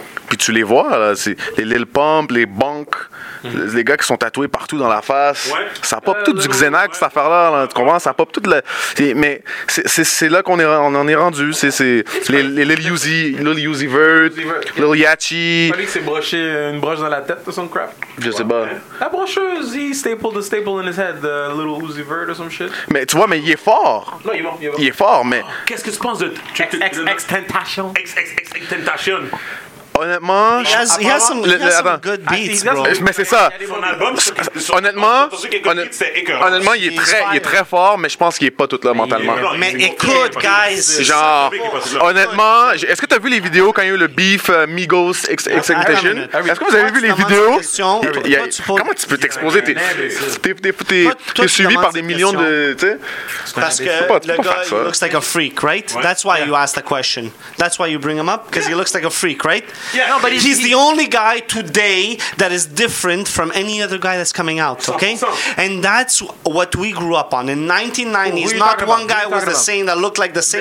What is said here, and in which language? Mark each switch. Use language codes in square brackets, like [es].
[fr] puis tu les vois là, c'est les Lil Pump, les Bonk, mm-hmm. les gars qui sont tatoués partout dans la face, ouais. ça pop tout du Xanax cette affaire là, tu comprends, ça pop tout le, mais c'est là qu'on est, on en est rendu, c'est les Lil Uzi Vert, Lil Yachty. Il fallait que c'est broché une broche dans la tête ou [en] some crap. [fr] Je sais pas. La brocheuse, [en] he stapled the staple in his head, the Lil Uzi Vert or some shit. [fr] Mais tu vois, mais il est fort. Non, il est bon. Il est fort, mais. Qu'est-ce que tu penses de X-X-X-Tentation? X-X-X-Tentation. Honnêtement, [en] he has some good beats, bro. [fr] Mais c'est ça. Honnêtement, il est très fort, mais je pense qu'il est pas tout là mentalement. Mais écoute, guys, genre, honnêtement, est-ce que t'as vu les vidéos quand il y a eu le beef Migos Exhibition? Est-ce que vous avez vu les vidéos? Comment tu peux t'exposer? T'es suivi par des millions de, tu sais? Parce que le gars [en] looks like a freak, right? That's why you ask the question. That's why you bring him up because he looks like a freak, right? Yeah, no, but he's the only guy today that is different from any other guy that's coming out, okay? And that's what we grew up on. In 1990s, not one guy was the same that looked like the same.